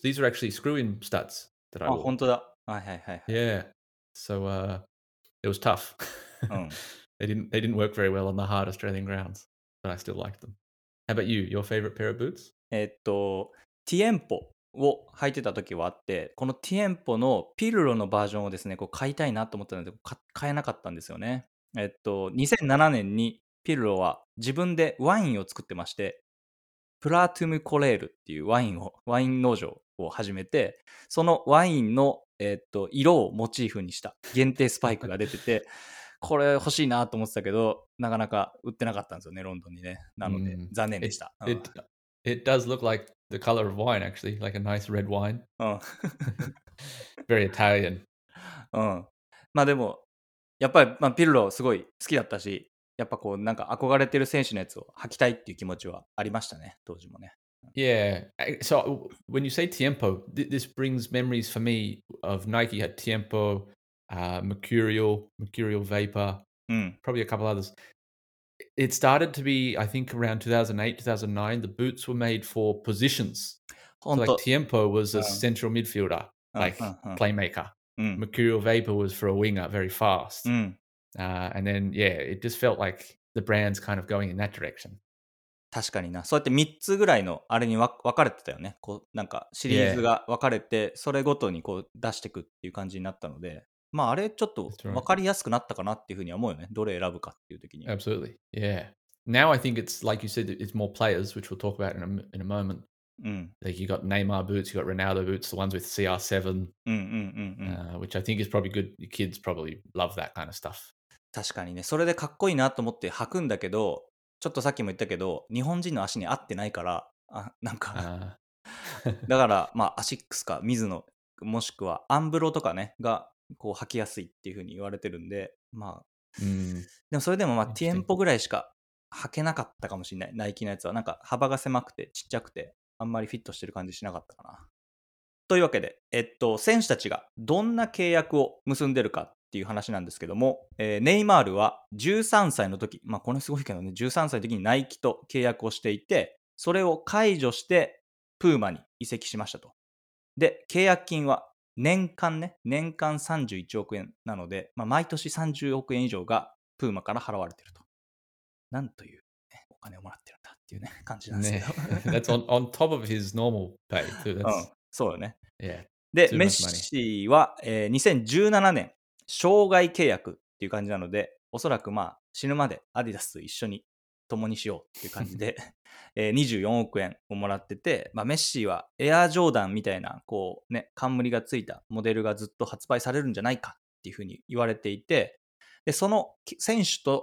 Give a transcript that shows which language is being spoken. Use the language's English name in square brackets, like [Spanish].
[English] These are actually screw-in studs that I wore. [Japanese] あ、本当だ。はいはいはい。 [English] Yeah. So, it was tough. they didn't work very well on the hard Australian grounds. But I still liked them. How about you? Your favorite pair of boots? [Japanese] ティエンポを履いてた時はあって、このティエンポのピルロのバージョンをですね、こう買いたいなと思ったので、買えなかったんですよね。 2007年にピルロは自分でワインを作ってまして、プラトゥムコレールっていうワイン農場を始めて、そのワインの、色をモチーフにした限定スパイクが出てて、これ欲しいなと思ってたけど、なかなか売ってなかったんですよね、ロンドンにね。なので、残念でした。 [English] It does look like the color of wine, actually, like a nice red wine. Very Italian. [Japanese] まあでも、やっぱり、まあ、ピルロすごい好きだったし、やっぱこうなんか憧れてる選手のやつを履きたいっていう気持ちはありましたね、当時もね。 [English] Yeah, so when you say Tiempo, this brings memories for me of Nike had Tiempo, Mercurial Vapor, probably a couple others. It started to be, I think, around 2008, 2009, the boots were made for positions. So like Tiempo was a central midfielder, like playmaker. Mercurial Vapor was for a winger, very fast. And then, yeah, it just felt like the brand's kind of going in that direction. [Japanese] 確かにな。そうやって3つぐらいのあれに分かれてたよね。こうなんかシリーズが分かれて、それごとにこう出していくっていう感じになったので、まああれちょっと分かりやすくなったかなっていうふうに思うよね。どれ選ぶかっていう時に。 [English] Absolutely. Yeah. Now I think it's like you said, it's more players, which we'll talk about in a moment. Like you got Neymar boots, you got Ronaldo boots, the ones with CR7, which I think is probably good. Your kids probably love that kind of stuff. [Japanese] 確かにね、それでかっこいいなと思って履くんだけど、ちょっとさっきも言ったけど、日本人の足に合ってないから、あなんか、だから、まあ、アシックスか、ミズノ、もしくはアンブロとかね、がこう履きやすいっていう風に言われてるんで、まあ、でもそれでも、まあ、ティエンポぐらいしか履けなかったかもしれない、ナイキのやつは、なんか幅が狭くて、ちっちゃくて、あんまりフィットしてる感じしなかったかな。というわけで、選手たちがどんな契約を結んでるか。っていう話なんですけども、ネイマールは13歳の時、まあこれすごいけどね、13歳の時にナイキと契約をしていて、それを解除してプーマに移籍しましたと。で、契約金は年間ね、年間31億円なので、まあ、毎年30億円以上がプーマから払われてると。なんという、ね、お金をもらってるんだっていうね、感じなんですけど。ね、 [English] That's on top of his normal pay too. That's... [Japanese] そうよね。 [English] Yeah. [Japanese] で、メッシは、2017年、生涯契約っていう感じなので、おそらくまあ死ぬまでアディダスと一緒に共にしようっていう感じで24億円をもらってて、まあ、メッシーはエアージョーダンみたいなこう、ね、冠がついたモデルがずっと発売されるんじゃないかっていうふうに言われていて、でその選手